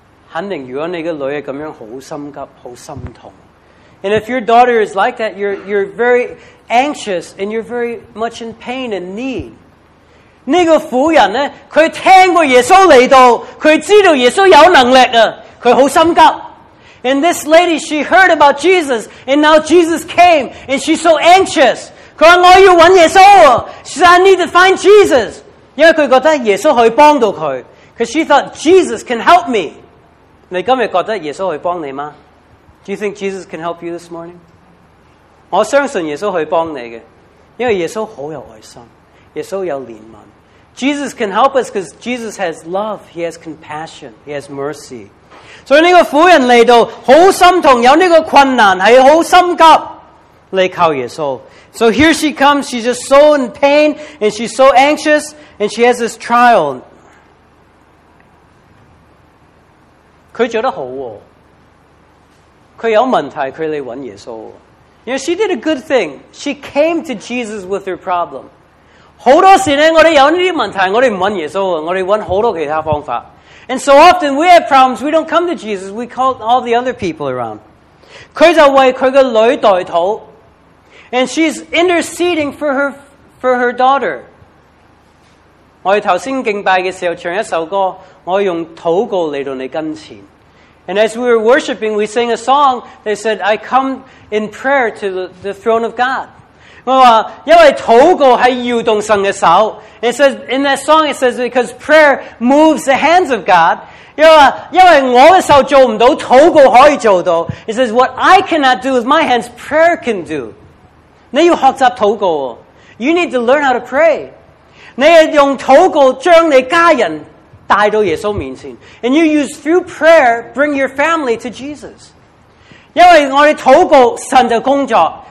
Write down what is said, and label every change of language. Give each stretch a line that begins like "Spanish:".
Cantonese: 肯定，如果你嘅女系咁样，好心急，好心痛。
English: And if your daughter is like that, you're very anxious and you're very much in pain and need.
Cantonese: 呢个妇人咧，佢听过耶稣嚟到，佢知道耶稣有能力啊，佢好心急。
English: And this lady, she heard about Jesus, and now Jesus came, and she's so anxious.
Cantonese: 佢话我要揾耶稣啊 ，
English: she said, I need to find Jesus.
Cantonese: 因为佢觉得耶稣可以帮到佢 ，
English: because she thought Jesus can help me.
Cantonese: 你今日觉得耶稣会帮你吗 ？
English: Do you think Jesus can help you this morning？
Cantonese: 我相信耶稣会帮你嘅，因为耶稣好有爱心，耶稣有怜悯。
English: Jesus can help us because Jesus has love, He has compassion, He has mercy。
Cantonese: 所以呢个妇人嚟到好心痛，有呢个困难系好心急嚟靠耶稣。
English: So here she comes, she's just so in pain and she's so anxious and she has this trial.
Cantonese: 佢做得好喎，佢有问题，佢嚟揾耶稣。
English: You know, she did a good thing. She came to Jesus with her problem.
Cantonese: 好多时咧，我哋有呢啲问题，我哋唔揾耶稣，我哋揾好多其他方法。
English: And so often we have problems, we don't come to Jesus. We call all the other people around.
Cantonese: 佢就为佢个女代祷 ，
English: and she's interceding for her daughter.
Cantonese: 我哋头先敬拜嘅时候唱一首歌，我用祷告嚟到你跟前。
English: And as we were worshiping, we sang a song. They said, "I come in prayer to the throne of God."
Cantonese: 我话因为祷告系摇动神嘅手。
English: It says in that song, it says because prayer moves the hands of God.
Cantonese: 因为我嘅手做唔到，祷告可以做到。
English: It says what I cannot do with my hands, prayer can do.
Cantonese: 你要学习祷告
English: ，You need to learn how to pray.
Cantonese: 你系用祷告将你家人带到耶稣面前
English: ，and you use through prayer bring your family to Jesus。
Cantonese: 因为我哋祷告，神就工作